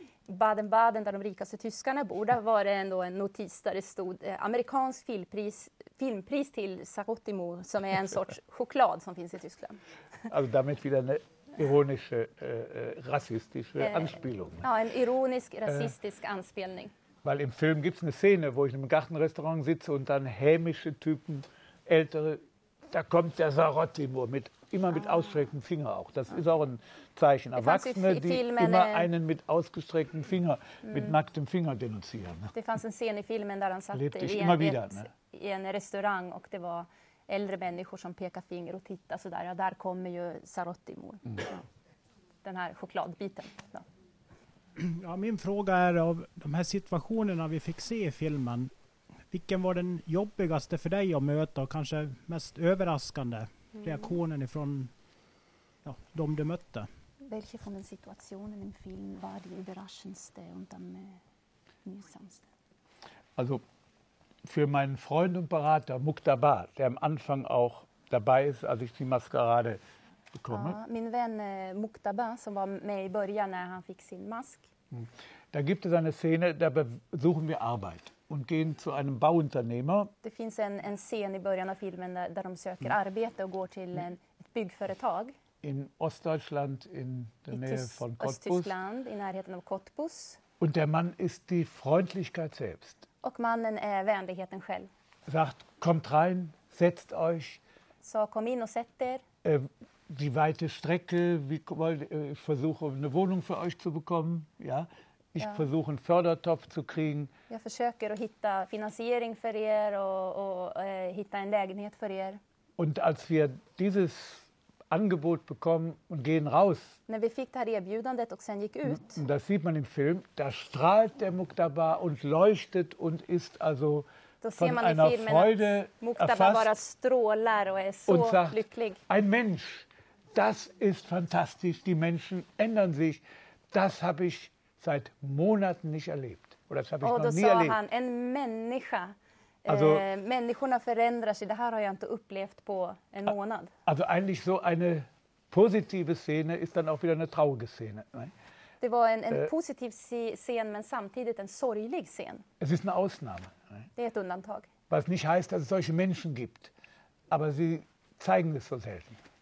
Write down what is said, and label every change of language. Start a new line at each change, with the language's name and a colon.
Swedish: Baden-Baden där de rikaste tyskarna bor, där var det ändå en notis där det stod amerikansk filmpris till Sarotimo som är en sorts choklad som finns i Tyskland. Alltså därmed vidare en ironisk rasistisk anspelning. Ja, en ironisk rasistisk anspelning.
German: Weil im Film gibt es eine Szene, wo ich in einem Gartenrestaurant sitze und dann hämische Typen, ältere, da kommt der Sarotimo mit immer mit ausgestreckten Finger auch. Das ist auch ein Zeichen. Erwachsene, die immer einen mit ausgestreckten Finger, mit nacktem Finger denunzieren.
Swedish: Det fanns en scen i filmen där han satt i en restaurang och det var äldre människor som pekade finger och tittade sådär. Ja, där kommer ju Sarotimo. Mm. Den här chokladbiten. Ja. Ja, min fråga är av de här situationerna vi fick se i filmen. Vilken var den jobbigaste för dig att möta och kanske mest överraskande reaktionen ifrån ja, de du mötte? Vilken från den situationen i film var det överraskande och den mysamaste? Alltså, för min
German: freund och berater Muqtaba, der am Anfang auch dabei ist, als ich die Maskerade bekomme.
Swedish: Ja, min vän Muqtaba som var med i början när han fick sin mask.
German: Da gibt es eine Szene, da suchen wir Arbeit und gehen zu einem Bauunternehmer.
Swedish: Det finns en scen i början av filmen där de söker arbete och går till ett byggföretag.
German: In Ostdeutschland, in der Nähe von Cottbus.
Swedish: Ostdeutschland, i närheten av Cottbus.
German: Und der Mann ist die Freundlichkeit selbst.
Swedish: Och mannen är vänligheten själv.
German: Sagt, kommt rein, setzt euch.
Swedish: Så kom in och sätt er.
German: Die weite Strecke, ich versuche eine Wohnung für euch zu bekommen, ja. Ich versuche einen Fördertopf zu kriegen.
Swedish: Jag försöker att hitta finansiering för er och hitta en lägenhet för er.
German: Und als wir dieses Angebot bekommen und gehen raus.
Swedish: När vi fick det här erbjudandet och sen gick ut.
German: Und das sieht man im Film, da strahlt der Muqtaba und leuchtet und ist also von einer Freude erfasst.
Swedish: Muqtaba bara strålar och är så lycklig.
German: Ein Mensch. Das ist fantastisch, die Menschen ändern sich. Das habe ich seit Monaten nicht erlebt. Oder das habe ich noch nie erlebt.
Swedish: Han, en människa. Also, människorna förändrar sig. Det här har jag inte upplevt på en månad.
German: Also eigentlich so eine positive Szene ist dann auch wieder eine traurige Szene.
Swedish: Det var en positiv scen, men samtidigt en sorglig scen.
German: Es ist eine Ausnahme.
Swedish: Det är ett undantag.
German: Was nicht heißt, dass es solche Menschen gibt. Aber sie zeigen es so selten.